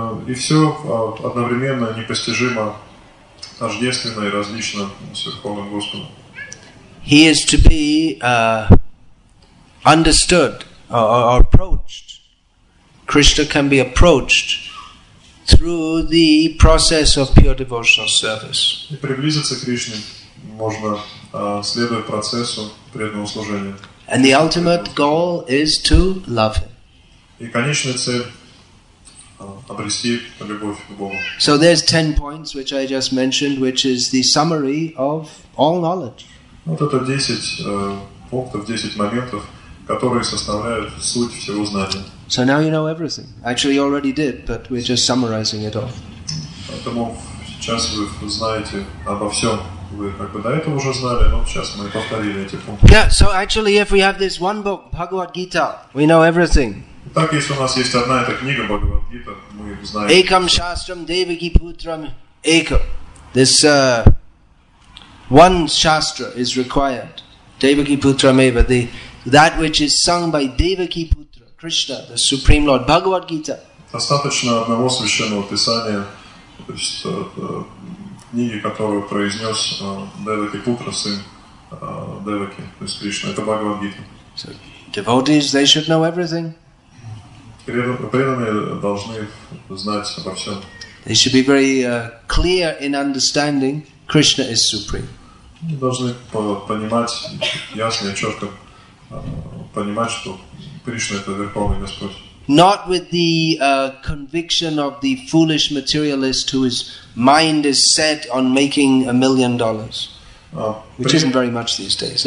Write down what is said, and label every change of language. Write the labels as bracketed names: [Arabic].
[Russian] И все одновременно непостижимо, тождественно и различно с Верховным Господом. [English] He is to be understood. Or approached. Krishna can be approached through the process of pure devotional service. [Russian] И приблизиться к Кришне можно, следуя процессу преданного служения. [English] And the ultimate goal is to love him. [Russian] И конечная цель, обрести любовь к Богу. [English] So there's 10 points which I just mentioned, which is the summary of all knowledge. [Russian] Вот это 10 пунктов, 10 моментов, которые составляют суть всего знания. [English] So now you know everything. Actually, you already did, but we're just summarizing it all. [Russian] Поэтому сейчас вы знаете обо всем. Вы как бы до этого уже знали, но сейчас мы повторили эти пункты. [English] Yeah, so actually, if we have this one book, Bhagavad Gita, we know everything. [Russian] Так, если у нас есть одна эта книга, Бхагавад Гита, мы знаем. [Sanskrit] Экам шастрам девики путрам экам. [English] This One shastra is required. Devaki Putra Meva, that which is sung by Devaki Putra, Krishna, the Supreme Lord, Bhagavad Gita. [Russian] Достаточно одного священного писания, то есть книги, которую произнес Деваки Путра, сын Деваки, то есть Кришна, это Бхагавад Гита. [English] So, devotees, they should know everything. [Russian] Преданные должны знать обо всем. [English] They should be very clear in understanding Krishna is supreme. [Russian] Они должны понимать ясно и четко, понимать, что Кришна это Верховный Господь. [English] Not with the conviction of the foolish materialist whose mind is set on making $1 million, which isn't very much these days.